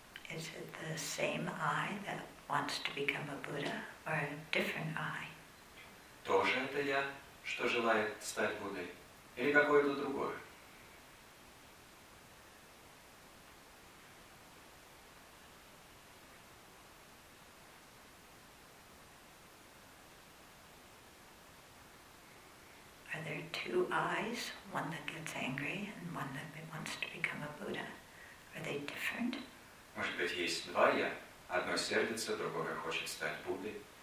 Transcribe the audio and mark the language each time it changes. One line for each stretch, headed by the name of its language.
English: Is it the same I that wants to become a Buddha or a different I?
Russian: Тоже это я, что желает стать Буддой, или какое-то другое?
English: Two eyes, one that gets angry and one that wants to become a Buddha. Are they different?
Russian: Может быть, есть два я. Одно сердится, другое хочет стать Буддой.